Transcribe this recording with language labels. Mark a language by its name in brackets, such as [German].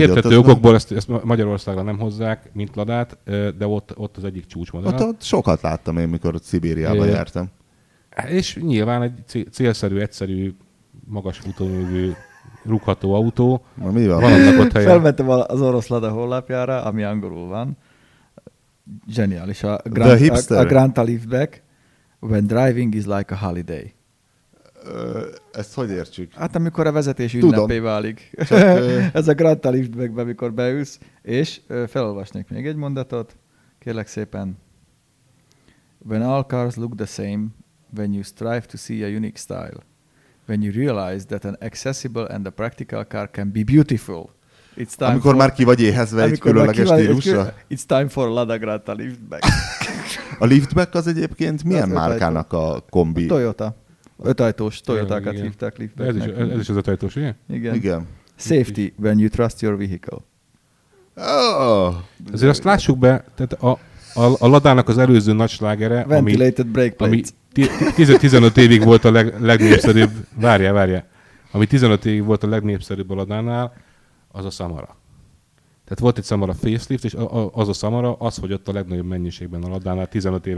[Hungarian] Értető okokból ezt Magyarországra nem hozzák, mint Ladát, de ott az egyik csúcsmodell. Ott sokat láttam én, mikor Szibériába jártam. És nyilván egy célszerű, egyszerű magas futóművű rugható autó. Na, mi van? Van annak ott helye. Felmentem az oroszlada honlapjára, ami angolul van. Zseniális. [English] A Grand Liftback, when driving is like a holiday. [Hungarian] Ezt hogy értsük? Hát amikor a vezetés ünnepé válik. Csak, ez a Grand Liftbackbe, amikor beülsz. És felolvasnék még egy mondatot. Kérlek szépen. [English] When all cars look the same, when you strive to see a unique style, when you realize that an accessible and a practical car can be beautiful, it's time [Hungarian] amikor [English] for... [Hungarian] már ki vagy éhezve egy különleges stílusra. [English] It's time for Lada Granta Liftback. [Hungarian] A Liftback az egyébként milyen az márkának a kombi? A Toyota. Ötajtós Toyotákat hívták Liftbacknek. Ez is az ötajtós, ugye? Igen. Igen. [English] Safety, when you trust your vehicle. Oh. [Hungarian] Azért azt lássuk be, tehát a Ladának az előző nagy slágere, [English] Ventilated brake plates. [Hungarian] Ami 15 évig volt a legnépszerűbb, várjál, ami 15 évig volt a legnépszerűbb a Ladánál, az a Samara. Tehát volt egy Samara facelift, és az a Samara az, hogy ott a legnagyobb mennyiségben a Ladánál 15 éven